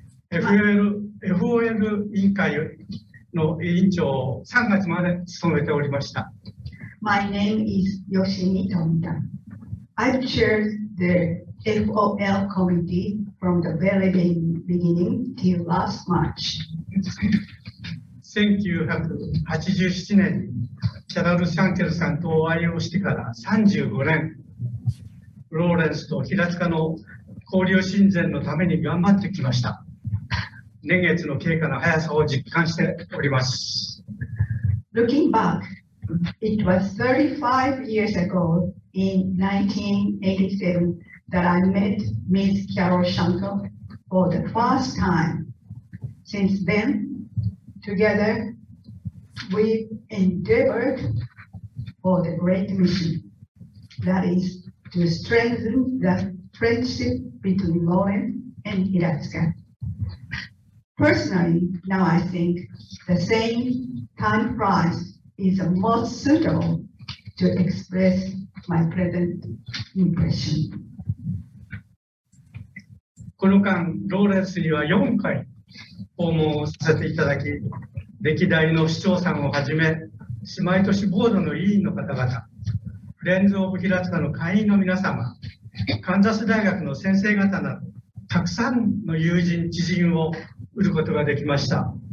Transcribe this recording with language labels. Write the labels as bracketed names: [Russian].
[Japanese] FOL 委員会の委員長を3月まで務めておりました。 [English] My name is Yoshimi Tomita. I've chaired the FOL committee from the very beginning till last March. [Japanese] 1987年にキャロル・シャンケルさんとお会いをしてから35年、ローレンスと平塚の交流親善のために頑張ってきました。年月の経過の速さを実感しております。 [English] Looking back, it was 35 years ago in 1987 that I met Ms. Carol Shankle for the first time. Since then, together we've endeavored for the great mission, that is to strengthen the friendship between Loren and Hiratsuka. Personally, now I think the same time price is the most suitable to express my present impression. [Japanese] この間、ローレンスには4回訪問をさせていただき、歴代の市長さんをはじめ、姉妹都市ボードの委員の方々、フレンズ・オブ・平塚の会員の皆様、カンザス大学の先生方など、たくさんの友人、知人を得ることができました。